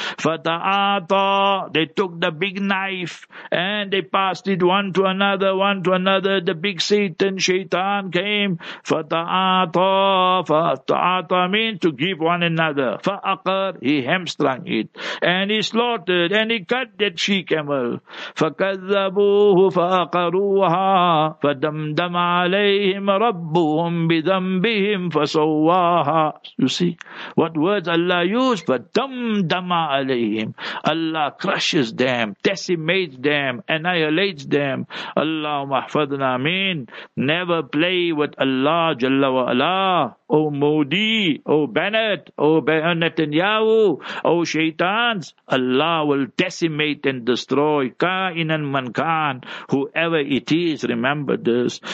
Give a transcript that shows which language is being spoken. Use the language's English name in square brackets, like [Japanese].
[English] فَتَعَاطَى They took the big knife and they passed it one to another, one to another. The big Satan, Shaitan came. فَتَعَاطَى فَتَعَاطَى means to give one another. فَأَقَرْ He hamstrung it. And he slaughtered and he cut that she-camel. [Arabic] فَكَذَّبُوهُ فَأَقَرُوهَا فَدَمْدَمَ عَلَيْهِمْ رَبُّهُمْ بِذَنْبِهِمْ فَسَوَّاهَا You see, what words Allah used? [English] فَدَمْدَمَ عَلَيْهِمْ Allah crushes them, decimates them, annihilates them. Allahumma ahfadhna amin. Never play with Allah Jalla wa Ala. O Modi, O Bennett, O Netanyahu, O shaitans, Allah will decimate and destroy kainan man kan, whoever it is, remember this.